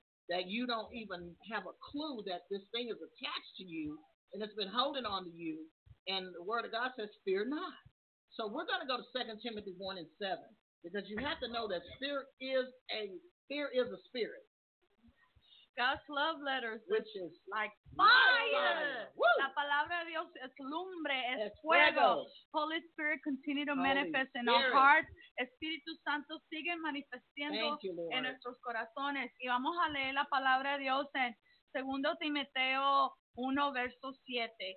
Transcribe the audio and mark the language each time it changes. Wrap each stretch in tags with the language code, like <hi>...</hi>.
<en>That you don't even have a clue that this thing is attached to you and it's been holding on to you. And the word of God says, fear not. So we're going to go to 2 Timothy 1 and 7, because you have to know that fear is a spirit. God's love letters. Which is like fire.</en> <es>La palabra de Dios es lumbre, es fuego.</es> <en>Holy Spirit, continue to manifest in our hearts.</en> <es>Espíritu Santo sigue manifestando en nuestros corazones. Y vamos a leer la palabra de Dios en 2 Timoteo 1, verso 7.</es>